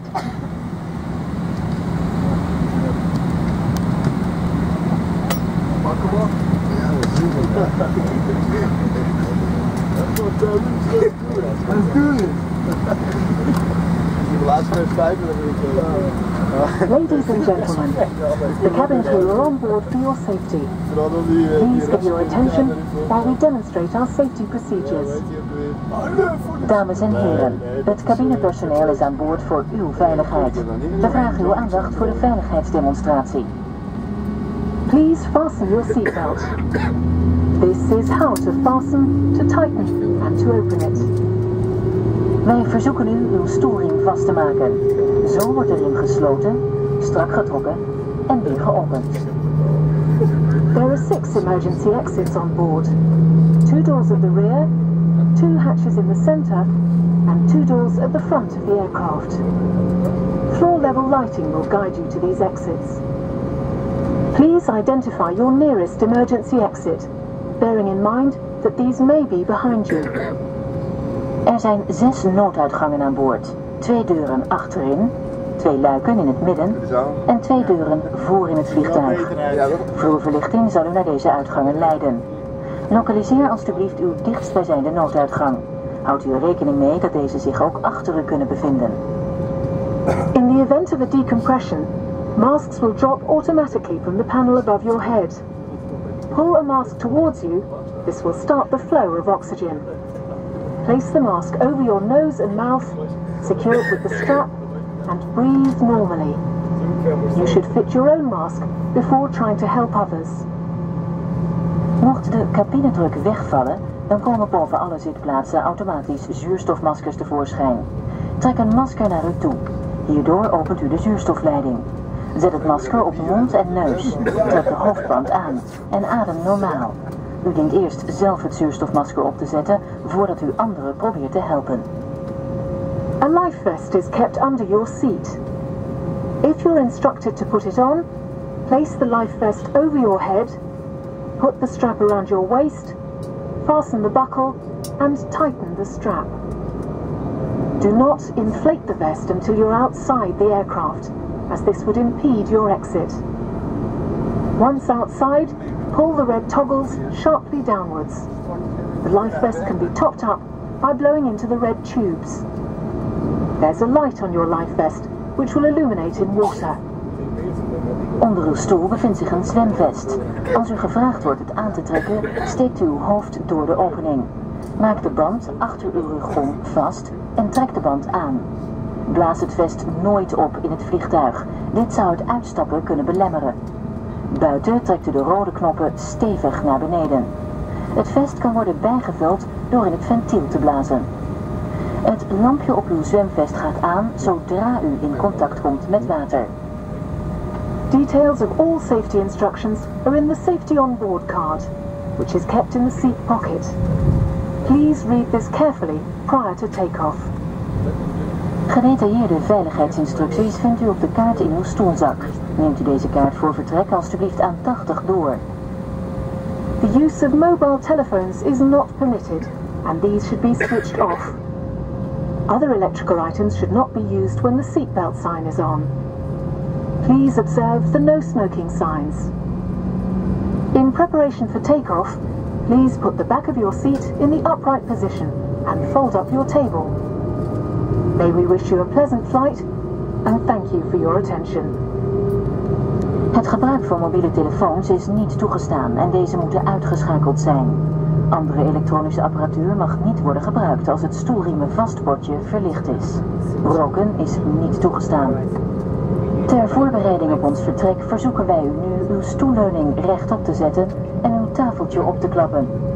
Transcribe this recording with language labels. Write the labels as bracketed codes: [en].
[en] Ladies and gentlemen, the cabins crew are on board for your safety. Please give your attention while we demonstrate our safety procedures. [nl] Dames en heren, het cabinepersoneel is aan boord voor uw veiligheid. We vragen uw aandacht voor de veiligheidsdemonstratie. [en] Please fasten your seatbelt. This is how to fasten, to tighten, and to open it. [nl] Wij verzoeken u uw stoelriem vast te maken. Zo wordt de riem gesloten, strak getrokken en weer geopend. [en] There are 6 emergency exits on board. 2 doors at the rear, 2 hatches in the center, and 2 doors at the front of the aircraft. Floor-level lighting will guide you to these exits. Please identify your nearest emergency exit, bearing in mind that these may be behind you. [nl] Er zijn 6 nooduitgangen aan boord. 2 deuren achterin, 2 luiken in het midden en 2 deuren voor in het vliegtuig. Vloerverlichting zal u naar deze uitgangen leiden. Lokaliseer alstublieft uw dichtstbijzijnde nooduitgang. Houdt u er rekening mee dat deze zich ook achter u kunnen bevinden. [en] In the event of a decompression, masks will drop automatically from the panel above your head. Pull a mask towards you. This will start the flow of oxygen. Place the mask over your nose and mouth, secure it with the strap, and breathe normally. You should fit your own mask before trying to help others. [nl] Mocht de cabinedruk wegvallen, dan komen boven alle zitplaatsen automatisch zuurstofmaskers tevoorschijn. Trek een masker naar u toe. Hierdoor opent u de zuurstofleiding. Zet het masker op mond en neus. Trek de hoofdband aan en adem normaal. U dient eerst zelf het zuurstofmasker op te zetten voordat u anderen probeert te helpen. [en] A life vest is kept under your seat. If you're instructed to put it on, place the life vest over your head, put the strap around your waist, fasten the buckle and tighten the strap. Do not inflate the vest until you're outside the aircraft, as this would impede your exit. Once outside, pull the red toggles sharply downwards. The life vest can be topped up by blowing into the red tubes. There's a light on your life vest, which will illuminate in water. [nl] Onder uw stoel bevindt zich een zwemvest. Als u gevraagd wordt het aan te trekken, steekt uw hoofd door de opening. Maak de band achter uw rug om vast en trek de band aan. Blaas het vest nooit op in het vliegtuig. Dit zou het uitstappen kunnen belemmeren. Buiten trekt u de rode knoppen stevig naar beneden. Het vest kan worden bijgevuld door in het ventiel te blazen. Het lampje op uw zwemvest gaat aan zodra u in contact komt met water. [en] Details of all safety instructions are in the safety on board card, which is kept in the seat pocket. Please read this carefully prior to take-off. [nl] Gedetailleerde veiligheidsinstructies vindt u op de kaart in uw stoelzak. Neemt u deze kaart voor vertrek alstublieft aan 80 door. [en] The use of mobile telephones is not permitted and these should be switched off. Other electrical items should not be used when the seatbelt sign is on. Please observe the no smoking signs. In preparation for takeoff, please put the back of your seat in the upright position and fold up your table. May we wish you a pleasant flight and thank you for your attention. [nl] Het gebruik van mobiele telefoons is niet toegestaan en deze moeten uitgeschakeld zijn. Andere elektronische apparatuur mag niet worden gebruikt als het stoelriemen vastbordje verlicht is. Roken is niet toegestaan. Ter voorbereiding op ons vertrek verzoeken wij u nu uw stoelleuning rechtop te zetten en uw tafeltje op te klappen.